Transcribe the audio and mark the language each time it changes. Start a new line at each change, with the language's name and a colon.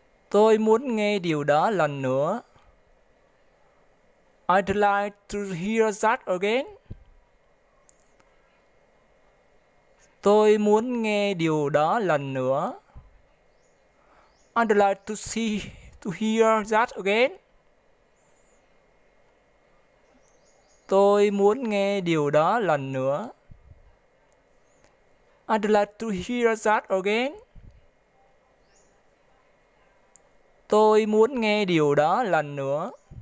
Vietnamese: Tôi muốn nghe điều đó lần nữa.
English: I'd like to hear that again.
Vietnamese: Tôi muốn nghe điều đó lần nữa.
English: I'd like to see, to hear that again.
Vietnamese: Tôi muốn nghe điều đó lần nữa.
English: I'd like to hear that again.
Vietnamese: Tôi muốn nghe điều đó lần nữa.